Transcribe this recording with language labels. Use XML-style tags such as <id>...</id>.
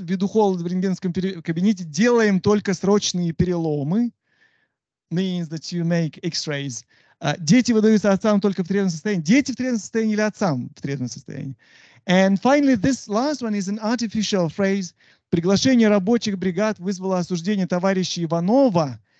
<ru>Ввиду холода в рентгенском кабинете делаем только срочные переломы.</ru> <en>Means that you make x-rays.</en> <ru>Дети выдаются отцам только в трезвом состоянии. Дети в трезвом состоянии или отцам в трезвом состоянии.</ru> <en>And finally, this last one is an artificial phrase.</en> <ru>Приглашение рабочих бригад вызвало осуждение товарища Иванова.</ru>